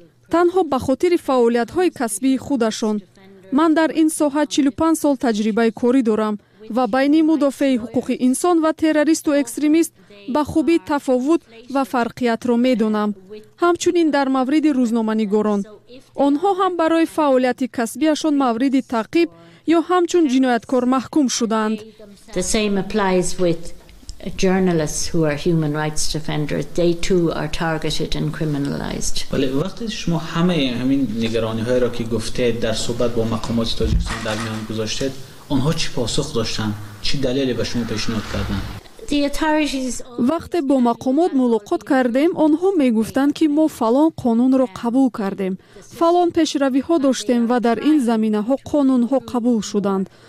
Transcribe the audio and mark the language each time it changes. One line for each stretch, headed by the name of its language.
Persian: تنها به خاطر فعالیت‌های کسبی خودشان. من در این ساحه 45 سال تجربه کاری دارم و بین مدافع حقوق انسان و تروریست و اکستریمیست به خوبی تفاوت و فرقیت را می دانم. همچنین در مورد روزنامه‌نگاران. آنها هم برای فعالیت کسبیشان مورد تعقیب یا همچون جنایتکار محکوم شدند.
English: The same applies with journalists who are human rights defenders. They too are targeted and criminalized.
Persian: ولی وقتی شما همه همین نگرانی‌های را که گفتید در صحبت با مقامات تاجیکستان در میان گذاشتید، آنها چی پاسخ داشتند؟ چی دلیلی به شما پیشنهاد کردند؟ وقتی با مقامات ملاقات کردیم، آنها می گفتند که ما فلان قانون را قبول کردیم، فلان پیشروی ها داشتیم و در این زمینه ها قانون ها قبول شدند.